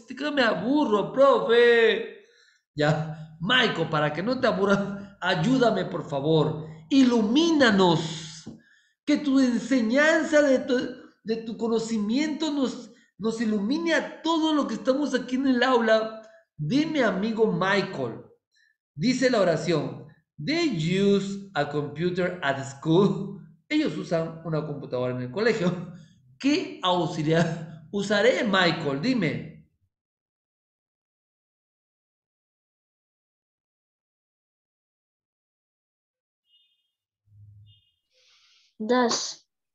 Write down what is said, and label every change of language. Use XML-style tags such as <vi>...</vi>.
<es>Que me aburro, profe. Ya, Michael, para que no te aburras, ayúdame, por favor. Ilumínanos. Que tu enseñanza, de tu conocimiento nos ilumine a todo lo que estamos aquí en el aula. Dime, amigo Michael. Dice la oración.</es> <en>They use a computer at school.</en> <es>Ellos usan una computadora en el colegio. ¿Qué auxiliar usaré, Michael? Dime. Das.</es>